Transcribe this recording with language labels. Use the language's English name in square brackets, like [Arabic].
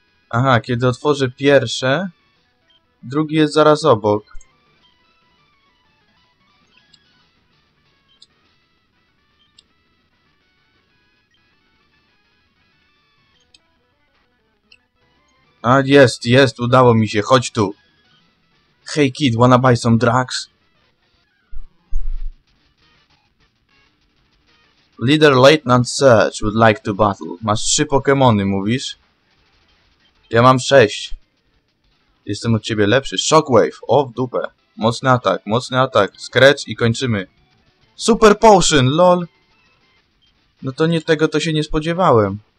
[Polish] Aha, kiedy otworzę pierwsze, drugi jest zaraz obok. A, jest, jest, udało mi się, chodź tu. [English] Hey kid, wanna buy some drugs? Leader Lieutenant Surge would like to battle. [Polish] Masz 3 Pokémony, mówisz? Ja mam 6. Jestem od ciebie lepszy. Shockwave. O, w dupę. Mocny atak. Mocny atak. Scratch i kończymy. Super Potion. Lol. No to nie tego, to się nie spodziewałem.